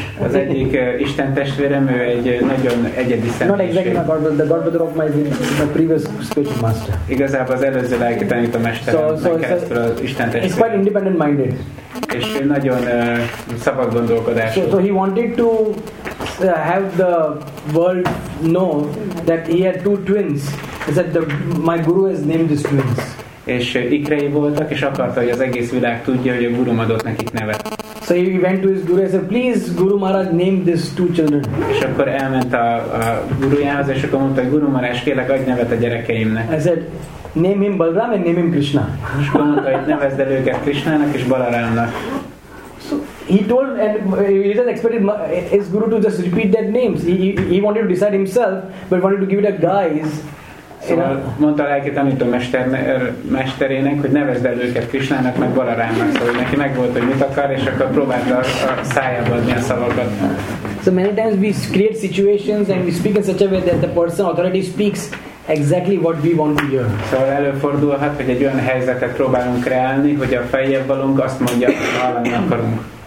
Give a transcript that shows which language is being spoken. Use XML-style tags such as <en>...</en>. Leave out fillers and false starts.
<hu>Az egyik Isten testvérem, ő egy nagyon egyedi személyiség.</hu> <en>Not exactly my godmother, the godmother of my previous spiritual master.</en> <hu>Igazából az előző lelki tanító mesterem, keresztül az Isten testvérem.</hu> <en>He's quite independent minded.</en> <hu>És ő nagyon szabad gondolkodású.</hu> <en>So he wanted to have the world know that he had two twins. He said my guru has named these twins.</en> <hu>És ikrei voltak, és akarta, hogy az egész világ tudja, hogy a gurum adott nekik nevet.</hu> <en>So he went to his guru and said, please Guru Maharaj name these two children.</en> <hu>És akkor elment a gurujához, és akkor mondta, Guru Maharaj, kérlek, adj nevet a gyerekeimnek.</hu> <en>I said, name him Balram and name him Krishna.</en> <hu>És akkor mondta, hogy nevezd el őket Krishnának és Balaramnak.</hu> <en>He told and he didn't expect his guru to just repeat that names. He wanted to decide himself, but wanted to give it a guise.</en> <hu>Szóval mondta a lelki tanító mesterének, hogy nevezd el őket Krisnának, meg Balarámnak. Szóval neki meg volt, hogy mit akar, és akkor próbálta a szájába adni a szavakat.</hu> <en>So many times we create situations and we speak in such a way that the person authority speaks exactly what we want to hear.</en> <hu>Szóval előfordulhat, hogy egy olyan helyzetet próbálunk kreálni, hogy a feljavalónk azt mondja, hogy hallani akarunk.</hu>